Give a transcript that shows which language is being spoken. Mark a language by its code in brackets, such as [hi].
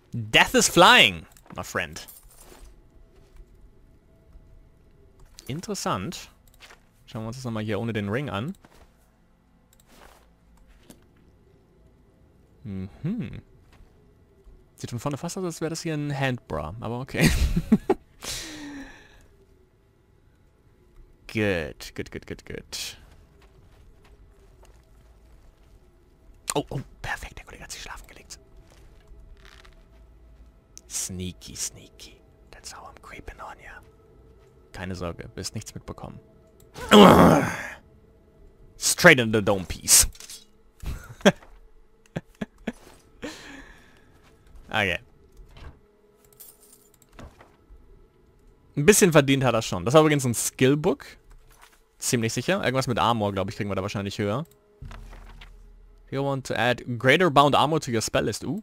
[en] Death is flying, my friend. [de] Interessant. Schauen wir uns das nochmal hier ohne den Ring an. Mhm. Sieht von vorne fast aus, als wäre das hier ein Handbra. Aber okay. [en] Good, good, good, good, good. [de] Oh, oh, perfekt. Der Kollege hat sich schlafen gelegt. [en] Sneaky, sneaky. That's how I'm creeping on ya. [de] Keine Sorge, wirst nichts mitbekommen. [en] Straight in the dome piece. [de] Okay. Ein bisschen verdient hat er schon. Das war übrigens ein Skillbook. Ziemlich sicher. Irgendwas mit Armor, glaube ich, kriegen wir da wahrscheinlich höher. [en] You want to add greater bound armor to your spell list?